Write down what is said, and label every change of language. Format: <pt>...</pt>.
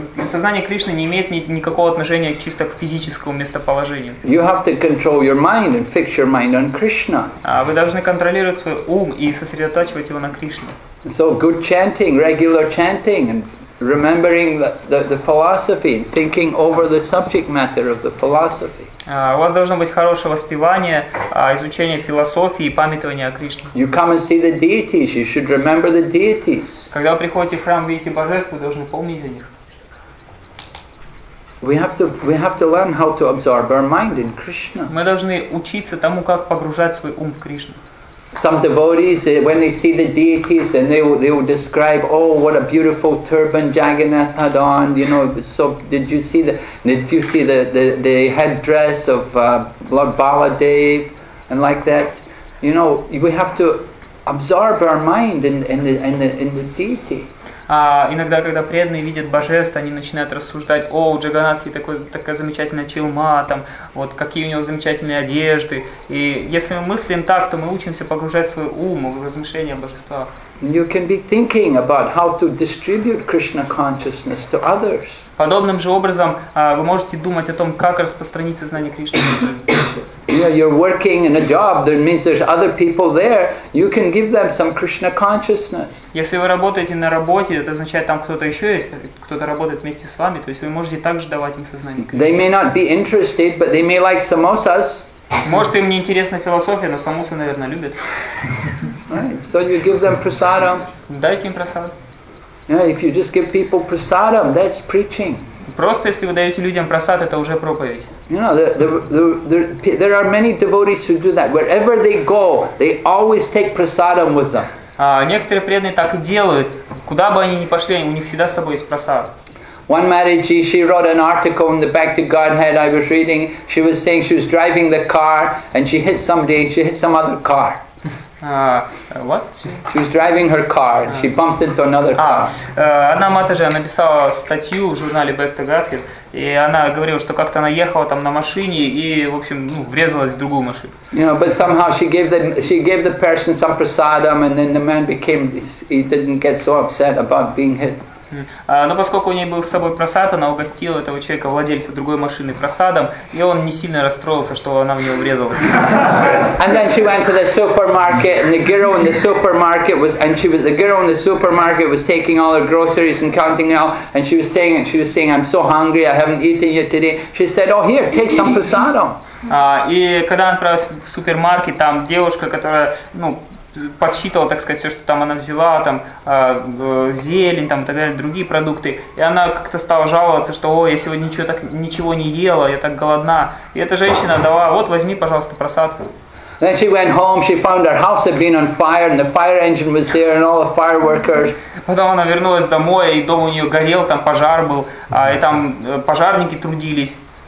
<ru>Сознание Кришны не имеет никакого отношения чисто к физическому местоположению.</ru> <en>You have to control your mind and fix your mind on Krishna.</en> <ru>Вы должны контролировать свой ум и сосредотачивать его на Кришне.</ru> <en>So good chanting, regular chanting, and remembering the philosophy, thinking over the subject matter of the philosophy.</en> <ru>У вас должно быть хорошее воспевание, изучение философии и памятование о Кришне.</ru> <en>You come and see the deities. You should remember the deities.</en> <ru>Когда вы приходите в храм, видите божеств, вы должны помнить о них.</ru> <en>We have to learn how to absorb our mind in Krishna.</en> <ru>Мы должны учиться тому, как погружать свой ум в Кришну.</ru> <en>Some devotees, when they see the deities, and they will describe, oh, what a beautiful turban Jagannath had on, you know. So did you see the headdress of Lord Baladev, and like that, you know. We have to absorb our mind in the deity.</en> <ru>Иногда, когда преданные видят божеств, они начинают рассуждать, о, у Джаганатхи такая замечательная челма, там, вот какие у него замечательные одежды. И если мы мыслим так, то мы учимся погружать свой ум в размышления о божествах.</ru> <en>You can be thinking about how to distribute Krishna consciousness to others.</en> <ru>Подобным же образом вы можете думать о том, как распространить сознание Кришны.</ru> <en>Yeah, you're working in a job, that means there's other people there. You can give them some Krishna consciousness.</en> <ru>Если вы работаете на работе, это означает, там кто-то еще есть, кто-то работает вместе с вами, то есть вы можете также давать им сознание Кришны.</ru> <en>They may not be interested, but they may like samosas.</en> <ru>Может, им не интересна философия, но самосы, наверное, любят.</ru> <en>Right. So you give them prasadam.</en> <ru>Дайте им прасад.</ru> <en>Yeah, if you just give people prasadam, that's preaching.</en> <ru>Просто если вы даете людям прасад, это уже проповедь.</ru> <en>You know, there are many devotees who do that. Wherever they go, they always take prasadam with them.</en> <ru>Некоторые преданные так и делают. Куда бы они ни пошли, у них всегда с собой есть прасад.</ru> <en>One Mataji, she wrote an article in the Back to Godhead I was reading. She was saying she was driving the car and she hit somebody. She hit some other car. What? She was driving her car and she bumped into another car.</en> <ru>Одна матаджа написала статью в журнале Back to Godhead, и она говорила, что как-то она ехала там на машине и, в общем, ну, врезалась в другую машину.</ru> <en>You know, but somehow she gave the person some prasadam, and then the man became, he didn't get so upset about being hit.</en> <ru>Но поскольку у нее был с собой просад, она угостила этого человека, владельца другой машины, просадом, и он не сильно расстроился, что она в него врезалась.</ru> <en>And then she went to the supermarket, and the girl in the supermarket was, and she was the girl in the supermarket was taking all her groceries and counting out, and she was saying, I'm so hungry, I haven't eaten yet today. She said, oh here, take some prosado.</en> <ru>И когда она отправилась в супермаркет, там девушка, которая, ну, подсчитывала, так сказать, все, что там она взяла, там зелень, там и так далее, другие продукты. И она как-то стала жаловаться, что, ой, я сегодня ничего не ела, я так голодна. И эта женщина дала, вот возьми, пожалуйста, просад.</ru> <en>Then she went home, she found her house had been on fire, and the fire engine was there, and all the fire workers.</en> <ru>Потом она вернулась домой, и дом у нее горел, там пожар был, и там пожарники трудились.</ru>